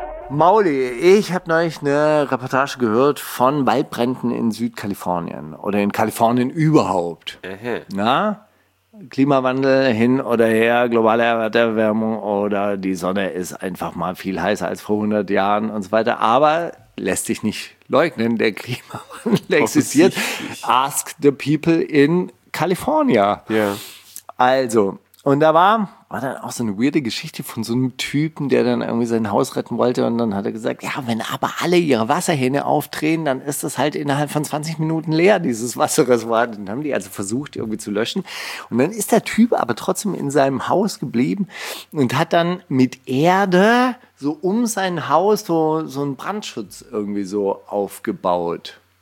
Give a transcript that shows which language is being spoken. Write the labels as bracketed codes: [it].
[de] Mauli, ich habe neulich eine Reportage gehört von Waldbränden in Südkalifornien oder in Kalifornien überhaupt. Aha. Na? Klimawandel hin oder her, globale Erderwärmung oder die Sonne ist einfach mal viel heißer als vor 100 Jahren und so weiter. Aber lässt sich nicht leugnen, der Klimawandel existiert. [en] Ask the people in California. Yeah. [de] Also, und da war dann auch so eine weirde Geschichte von so einem Typen, der dann irgendwie sein Haus retten wollte und dann hat er gesagt, ja, wenn aber alle ihre Wasserhähne aufdrehen, dann ist das halt innerhalb von 20 Minuten leer, dieses Wasserreservoir. Dann haben die also versucht, irgendwie zu löschen. Und dann ist der Typ aber trotzdem in seinem Haus geblieben und hat dann mit Erde so um sein Haus so einen Brandschutz irgendwie so aufgebaut.